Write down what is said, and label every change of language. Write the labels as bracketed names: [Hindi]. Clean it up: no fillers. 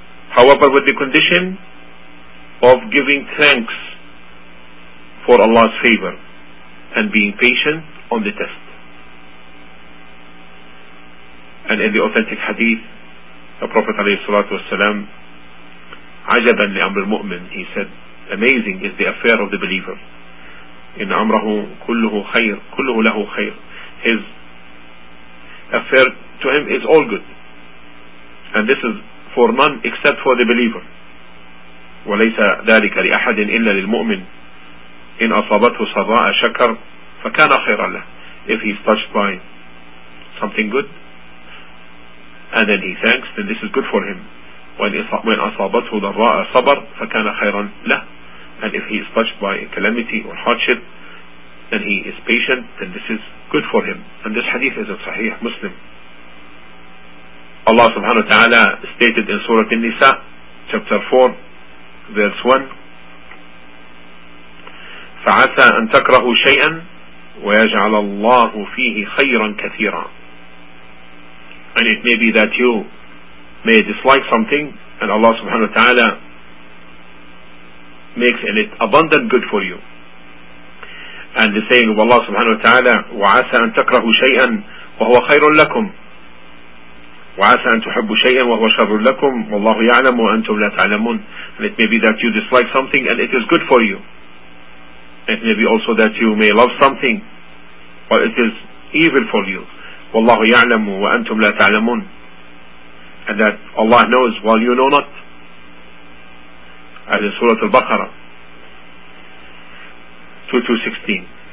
[English] However, with the condition of giving thanks for Allah's favor and being patient on the test. And in the authentic hadith, the Prophet عليه الصلاة والسلام, [Arabic] عجبا لأمر المؤمن, [English] he said, amazing is the affair of the believer. [Arabic] إن أمره كله خير, كله له خير. [English] His affair to him is all good. And this is for none except for the believer. [Arabic] وليس ذلك لأحد إلا للمؤمن. إن أصابته صداء شكر فكان خيرا له. [English] If he's touched by something good, and then he thanks, then this is good for him. When [Arabic] أصابته ضراء صبر فكان خيرا له. [English] And if he is touched by a calamity or hardship, then he is patient, then this is good for him. And this hadith is in Sahih Muslim. Allah subhanahu wa ta'ala stated in Surah An-Nisa, chapter 4, verse 1, [Arabic] فعسى أن تكرهوا شيئا ويجعل الله فيه خيرا كثيرا. [English] And it may be that you may dislike something, and Allah subhanahu wa ta'ala makes in it abundant good for you. And the saying of Allah subhanahu wa ta'ala, [Arabic] وَعَسَى أَن تَكْرَهُ شَيْئًا وَهُوَ خَيْرٌ لَكُمْ وَعَسَى أَن تُحَبُّ شَيْئًا وَهُوَ شَرٌ لَكُمْ وَاللَّهُ يَعْلَمُ وَأَنْتُمْ لَا تَعْلَمُونَ. [English] And it may be that you dislike something and it is good for you. It may be also that you may love something but it is evil for you. [Arabic] وَاللَّهُ يَعْلَمُ وَأَنْتُمْ لَا تَعْلَمُونَ. [English] And that Allah knows while you know not. As in Surah Al-Baqarah 2216.